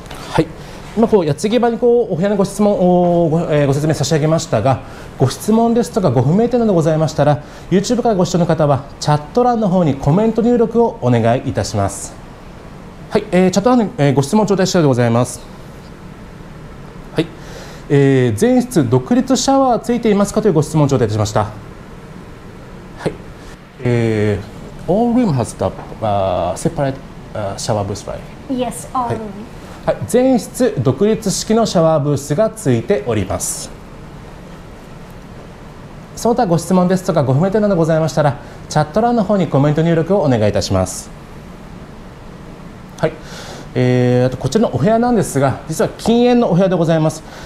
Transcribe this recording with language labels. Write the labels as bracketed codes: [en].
[ja] はい、今こう矢継ぎ場にこうお部屋のご質問を ご説明差し上げましたが、ご質問ですとかご不明点などございましたら、 YouTube からご視聴の方はチャット欄の方にコメント入力をお願いいたします。はい、チャット欄に、ご質問頂戴したようでございます。はい、全室独立シャワーついていますかというご質問頂戴いたしました。 [en] はい、All room has the separate shower booth, right? Yes, all room、 [ja] はい、全室独立式のシャワーブースがついております。その他ご質問ですとかご不明点などございましたら、チャット欄の方にコメント入力をお願いいたします。はい、あとこちらのお部屋なんですが、実は禁煙のお部屋でございます。